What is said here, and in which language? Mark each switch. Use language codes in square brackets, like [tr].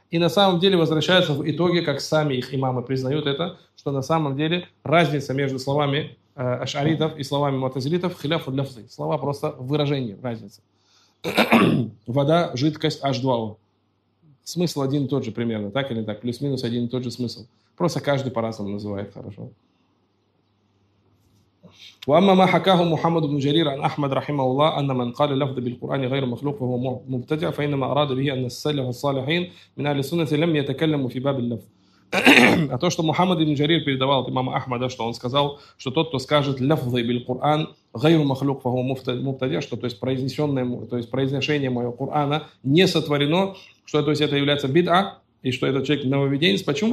[ru] И на самом деле возвращаются в итоге, как сами их имамы признают это, что на самом деле разница между словами ашаритов и словами муатазилитов хиляфу ляфзы. Слова просто выражение, разница. Вода, жидкость, H2O. Смысл один и тот же примерно, так или так? Плюс-минус один и тот же смысл. Просто каждый по-разному называет хорошо. [ar] وأما ما حكاه محمد بن جرير عن أحمد رحمه الله أن من قال لفظ بالقرآن غير مخلوق فهو مبتدع فإنما أراد به أن السلف الصالحين من أهل السنة لم يتكلموا في باب اللفظ. [ru] А то, что Мухаммад ибн Джарир передавал от имама Ахмада, что он сказал, что тот, кто скажет [ar] «лафзы биль Кур'ан, гайру махлюк фаху муфтадя», [ru] что то есть, произнесенное, то есть произношение моего Кур'ана не сотворено, что то есть, это является бид'а, и что этот человек нововведенец. Почему?